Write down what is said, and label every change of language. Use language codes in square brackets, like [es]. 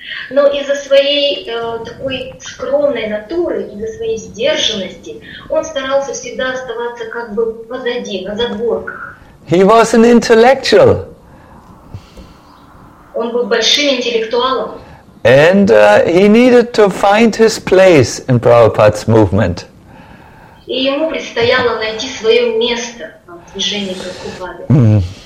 [ru] Но из-за своей такой скромной натуры, из-за своей сдержанности, он старался всегда оставаться как бы позади, на задворках. [en] He was an intellectual. [ru] Он был большим интеллектуалом. [en] And he needed to find his place in Prabhupada's movement. [ru] И ему предстояло найти свое место в движении Прабхупады.